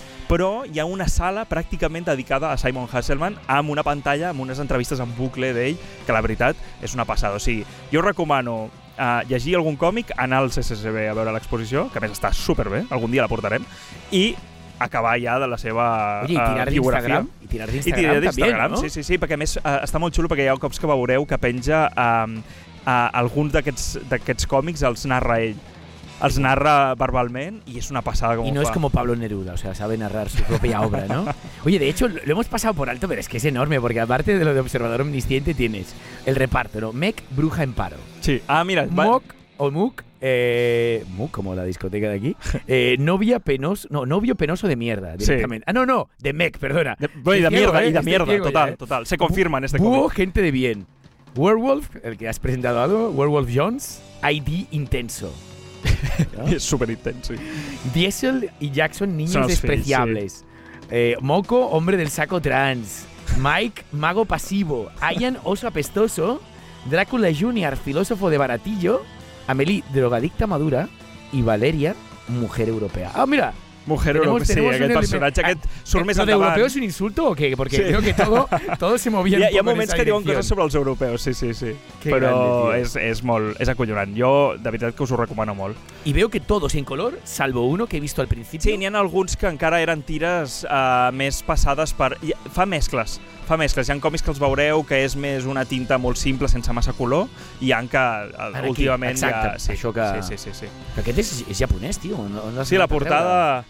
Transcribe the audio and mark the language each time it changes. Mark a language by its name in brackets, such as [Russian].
[Catalan] però hi ha una sala pràcticament dedicada a Simon Hasselman amb una pantalla, amb unes entrevistes en bucle d'ell, que la veritat és una passada. O sigui, jo recomano llegir algun còmic, anar al CCCB a veure l'exposició, que a més està superbé, algun dia la portarem, i acabar ja de la seva biografia. I tirar d'Instagram, també, no? Sí, sí, sí, perquè a més està molt xulo, perquè hi ha cops que veureu que penja alguns d'aquests còmics, els narra ell. Els narra verbalment i és una passada com I no fa. [Spanish] És com Pablo Neruda, o sea, sabe narrar su propia obra, ¿no? Oye, de hecho, lo hemos pasado por alto, pero es que es enorme, porque aparte de lo de Observador Omnisciente tienes el reparto, ¿no? Mec, Bruja en Paro. Sí, ah, mira. Mok o Muk, Muk, como la discoteca de aquí. Novia Penoso, no, Novio Penoso de Mierda, directamente. Sí. Ah, no, no, de Mec, perdona. Bueno, y de mierda, y de mierda, total, total. Se confirma en este cómic. Gente de bien. Werewolf, el que has presentado algo, Werewolf Jones, ID Intenso. Es súper intenso. Diesel y Jackson, niños no, despreciables. Sí, sí. Moco, hombre del saco trans. Mike, mago pasivo. Ian, oso apestoso. Drácula Jr., filósofo de baratillo. Amelie, drogadicta madura. Y Valeria, mujer europea. ¡Ah, mira! [Catalan] Mujer europea, sí, aquest personatge, aquest surt més endavant. [Spanish] ¿Lo de europeo es un insulto o qué? Porque sí. Creo que todo se movía en [Catalan] esa. Hi ha moments que diuen coses sobre els europeus, sí, sí, sí. Qué però grande, és molt, és acollonant. Jo, de veritat, que us ho recomano molt. [Spanish] Y veo que todos en color, salvo uno que he visto al principio. [Catalan] Sí, n'hi ha alguns que encara eren tires més passades per... Fa mescles, fa mescles. Hi ha còmics que els veureu que és més una tinta molt simple, sense massa color, i hi ha que ara últimament... Aquí, exacte, ha, sí, això que... Sí, sí, sí, sí. Que aquest és japonès, tio. On sí, la portada...